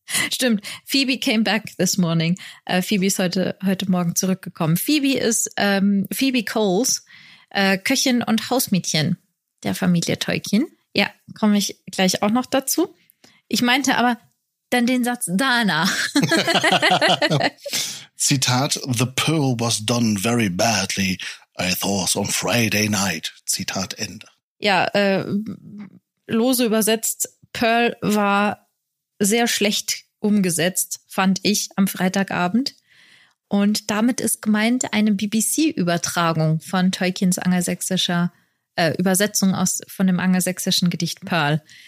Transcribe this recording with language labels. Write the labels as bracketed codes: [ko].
[en] Stimmt, Phoebe came back this morning. [de] Phoebe ist heute Morgen zurückgekommen. Phoebe ist Phoebe Coles, Köchin und Hausmädchen der Familie Tolkien. Ja, komme ich gleich auch noch dazu. Ich meinte aber dann den Satz danach. [en] Zitat, the pearl was done very badly, I thought on Friday night. [de] Zitat Ende. Ja, lose übersetzt, Pearl war sehr schlecht umgesetzt, fand ich, am Freitagabend. Und damit ist gemeint eine BBC-Übertragung von Tolkiens angelsächsischer Übersetzung von dem angelsächsischen Gedicht Pearl.